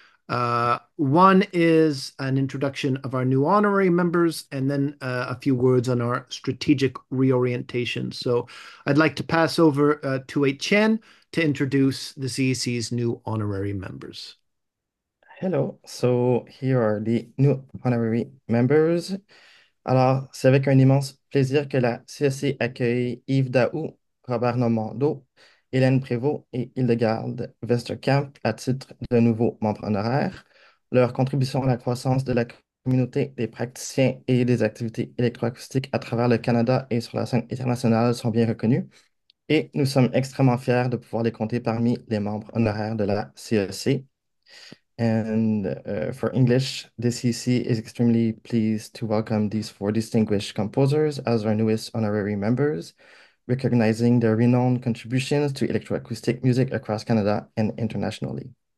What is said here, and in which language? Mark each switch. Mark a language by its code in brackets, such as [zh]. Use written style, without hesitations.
[en] One is an introduction of our new honorary members, and then a few words on our strategic reorientation. So I'd like to pass over to Wei Qian to introduce the CEC's new honorary members. Hello, so here are the new honorary members. [fr] Alors, c'est avec un immense plaisir que la CSC accueille Yves Daou, Robert Normando, Hélène Prévost et Hildegarde Westerkamp à titre de nouveaux membres honoraires. Leur contribution à la croissance de la communauté des praticiens et des activités électroacoustiques à travers le Canada et sur la scène internationale sont bien reconnues. Et nous sommes extrêmement fiers de pouvoir les compter parmi les membres honoraires de la CSC. [en] And for English, the CC is extremely pleased to welcome these four distinguished composers as our newest honorary members, recognizing their renowned contributions to electroacoustic music across Canada and internationally.